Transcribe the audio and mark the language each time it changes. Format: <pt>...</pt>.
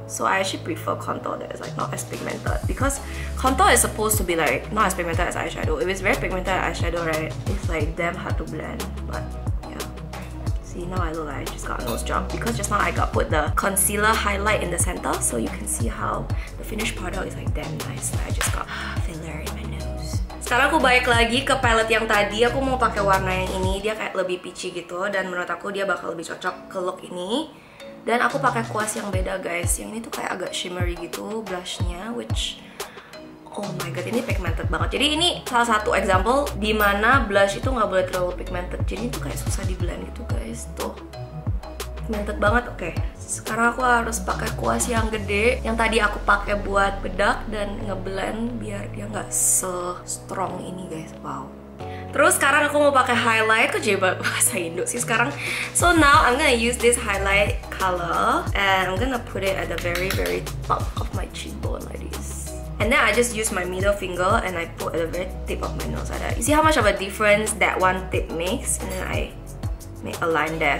<en>So I actually prefer contour that is like not as pigmented. Because contour is supposed to be like not as pigmented as eyeshadow. If it's very pigmented eyeshadow, right, it's like damn hard to blend. But see, now I look like I just got a nose job. Because just now I got put the concealer highlight in the center, so you can see how the finished product is like damn nice. Like, I just got filler in my nose.</en> <id>Sekarang aku balik lagi ke palette yang tadi. Aku mau pakai warna yang ini. Dia kayak lebih peachy gitu. Dan menurut aku dia bakal lebih cocok ke look ini. Dan aku pakai kuas yang beda guys. Yang ini tuh kayak agak shimmery gitu blushnya,</id> <en>which oh my god,</en> <id>ini pigmented banget. Jadi ini salah satu example di mana blush itu nggak boleh terlalu pigmented. Jadi itu kayak susah di blend gitu guys. Tuh, pigmented banget. Oke, sekarang aku harus pakai kuas yang gede yang tadi aku pakai buat bedak dan ngeblend biar dia nggak se strong ini guys. Wow. Terus sekarang aku mau pakai highlight. Kok jadi bahasa Indo sih sekarang?</id> <en>So now I'm gonna use this highlight color and I'm gonna put it at the very very top of my cheekbone like this. And then I just use my middle finger and I put at the very tip of my nose like that. You see how much of a difference that one tip makes? And then I make a line there.</en>